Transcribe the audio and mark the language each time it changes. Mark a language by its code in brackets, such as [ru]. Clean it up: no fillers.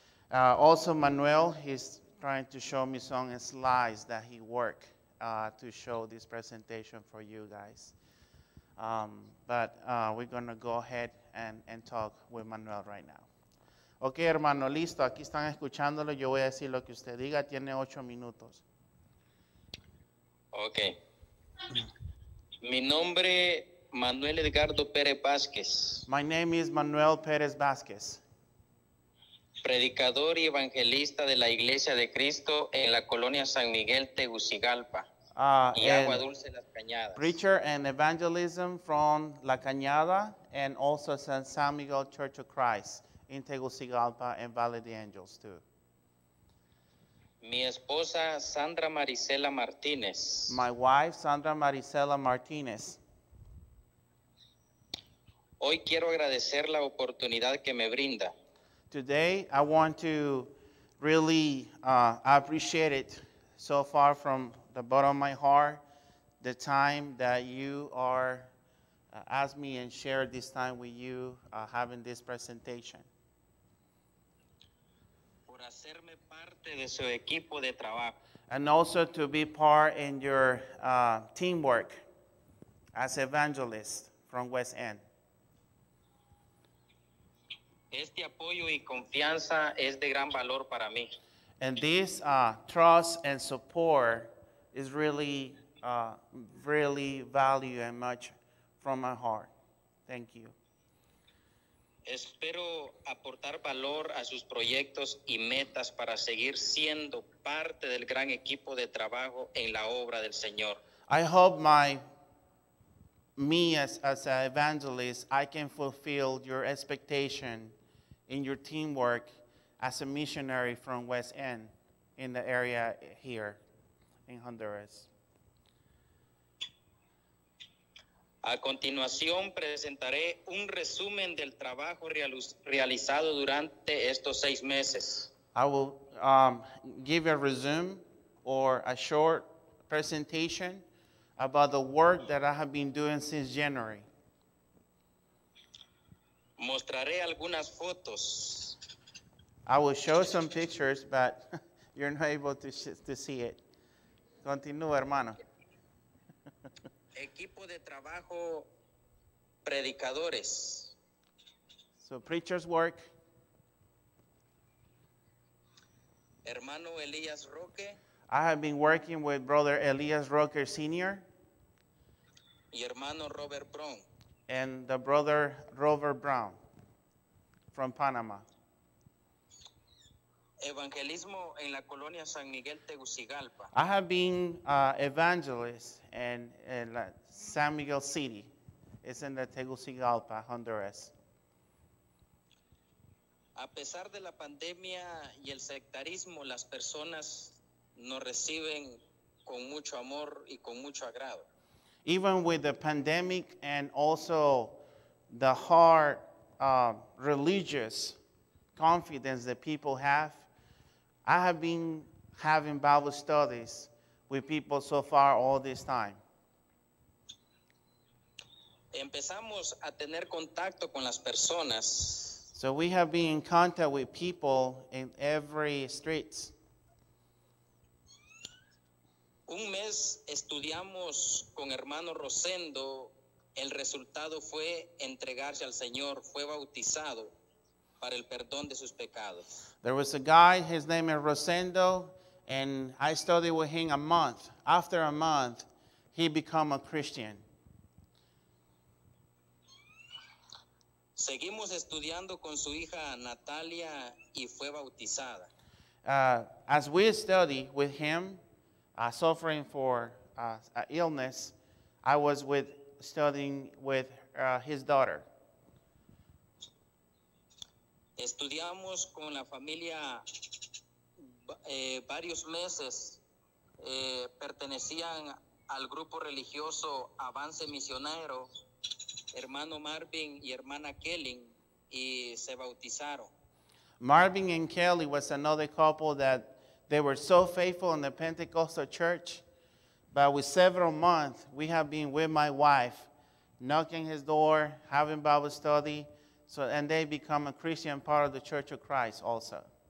[en] Also, Manuel is trying to show me some slides that he worked to show this presentation for you guys. We're going to go ahead and talk with Manuel right now. [es] Okay, hermano, listo. Aquí están escuchándolo. Yo voy a decir lo que usted diga. Tiene 8 minutos. Okay. Mi nombre Manuel Edgardo Pérez Vázquez. [en] My name is Manuel Pérez Vázquez. [es] Predicador y evangelista de la Iglesia de Cristo en la colonia San Miguel Tegucigalpa. Y Agua Dulce Las Cañadas. [en] Preacher and evangelism from La Cañada and also San Miguel Church of Christ in Tegucigalpa and Valley of the Angels too. [es] Mi esposa Sandra Maricela Martínez. [en] My wife Sandra Maricela Martínez. [es] Hoy quiero agradecer la oportunidad que me brinda. [en] Today I want to really appreciate it so far from the bottom of my heart, the time that you are asked me and share this time with you having this presentation. [es] Por hacerme parte de su equipo de trabajo. [en] And also to be part in your teamwork as evangelist from West End. [es] Este apoyo y confianza es de gran valor para mí. [en] And this trust and support is really, really value and much from my heart. Thank you. [es] Espero aportar valor a sus proyectos y metas para seguir siendo parte del gran equipo de trabajo en la obra del Señor. [en] I hope me as an evangelist, I can fulfill your expectation in your teamwork as a missionary from West End in the area here in Honduras. [es] A continuación presentaré un resumen del trabajo realizado durante estos 6 meses. [en] I will give a resume or a short presentation about the work that I have been doing since January. [es] Mostraré algunas fotos. [en] I will show some pictures, but you're not able to see it. [es] Continúa, hermano. Equipo de trabajo, predicadores. [en] So, preacher's work. [es] Hermano Elías Roque. [en] I have been working with Brother Elías Roque Sr. [es] Y hermano Robert Brown. [en] And the brother Robert Brown from Panama. [es] Evangelismo en la colonia San Miguel Tegucigalpa. [en] I have been evangelist in San Miguel City. It's in the Tegucigalpa, Honduras. [es] A pesar de la pandemia y el sectarismo, las personas nos reciben con mucho amor y con mucho agrado. [en] Even with the pandemic and also the hard religious confidence that people have, I have been having Bible studies with people so far all this time. [es] Empezamos a tener contacto con las personas. [en] So we have been in contact with people in every street. [es] Un mes estudiamos con hermano Rosendo. El resultado fue entregarse al Señor. Fue bautizado. Para el perdón de sus pecados. [en] There was a guy, his name is Rosendo, and I studied with him a month. After a month, he became a Christian. [es] Seguimos estudiando con su hija Natalia y fue bautizada. [en] As we study with him, suffering for an illness, I was studying with his daughter. [es] Estudiamos con la familia varios meses. Pertenecían al grupo religioso Avance Misionero, hermano Marvin y hermana Kelly, y se bautizaron. [en] Marvin and Kelly was another couple that they were so faithful in the Pentecostal church, but with several months, we have been with my wife knocking his door, having Bible study, so and they become a Christian, part of the Church of Christ also.